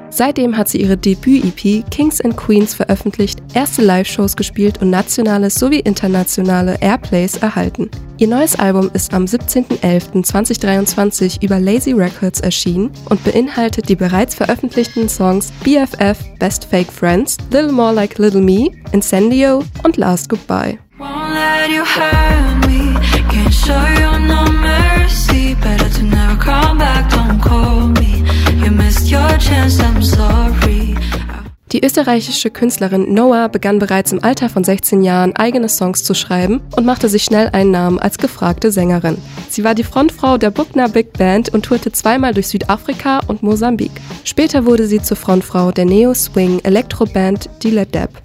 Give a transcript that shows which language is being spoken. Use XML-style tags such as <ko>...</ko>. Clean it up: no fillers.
<de>Seitdem hat sie ihre Debüt-EP Kings and Queens veröffentlicht, erste Live-Shows gespielt und nationale sowie internationale Airplays erhalten. Ihr neues Album ist am 17.11.2023 über Lazy Records erschienen und beinhaltet die bereits veröffentlichten Songs BFF, Best Fake Friends, Little More Like Little Me, Incendio und Last Goodbye.</de> <en>Won't let you hurt me, can't show you no mercy. Better to never come back, don't call me. You missed your chance, I'm sorry.</en> <de>Die österreichische Künstlerin Noah begann bereits im Alter von 16 Jahren eigene Songs zu schreiben und machte sich schnell einen Namen als gefragte Sängerin. Sie war die Frontfrau der Buckner Big Band und tourte zweimal durch Südafrika und Mosambik. Später wurde sie zur Frontfrau der Neo-Swing-Elektro-Band Dilledep.</de>